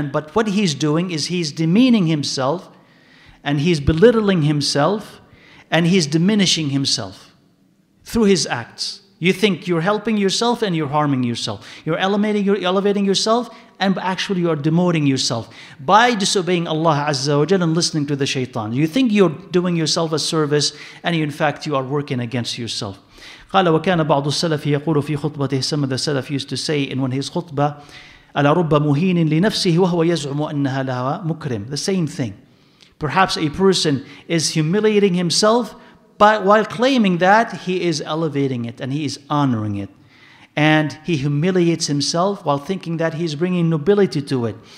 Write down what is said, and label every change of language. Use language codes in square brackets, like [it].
[en] But what he's doing is he's demeaning himself and he's belittling himself and he's diminishing himself through his acts. You think you're helping yourself and you're harming yourself. You're elevating yourself and actually you're demoting yourself by disobeying Allah Azza wa Jal and listening to the shaitan. You think you're doing yourself a service and in fact you are working against yourself. [ar] قال وكان بعض السلف يقول في خطبته. [en] Some of the Salaf used to say in one of his khutbah, [ar] ألا رب مهين لنفسه وهو يزعم أنها لها مكرم. [en] The same thing. Perhaps a person is humiliating himself while claiming that he is elevating it and he is honoring it. And he humiliates himself while thinking that he's bringing nobility to it.